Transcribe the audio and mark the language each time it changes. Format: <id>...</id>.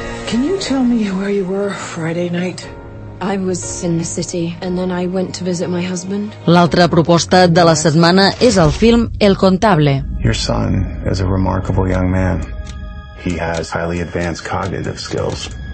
<en>Can you tell me where you were Friday night? I was in the city and then I went to visit my husband.</en> <ca>L'altra proposta de la setmana és el film El Contable.</ca> <en>Your son is a remarkable young man. He has highly advanced cognitive skills.</en>